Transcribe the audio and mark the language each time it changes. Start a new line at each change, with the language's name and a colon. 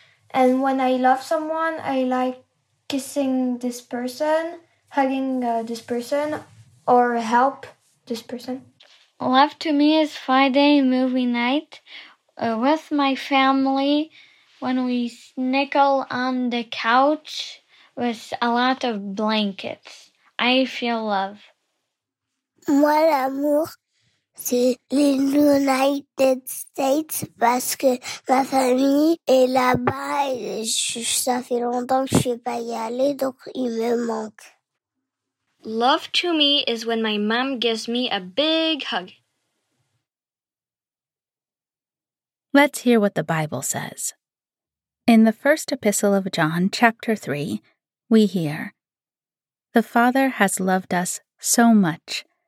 English: And when I love someone, I like kissing this person, hugging this person, or help this person. Love to me is Friday movie night with my family when we snuggle on the couch with a lot of blankets. I feel love.
French: Moi, l'amour, c'est les United States parce que ma famille est là-bas et ça fait longtemps que je ne suis pas y aller, donc il me manque.
English: Love to me is when my mom gives me a big hug. Let's hear what the Bible says. In the first epistle of John, chapter 3, we hear, "The Father has loved us so much.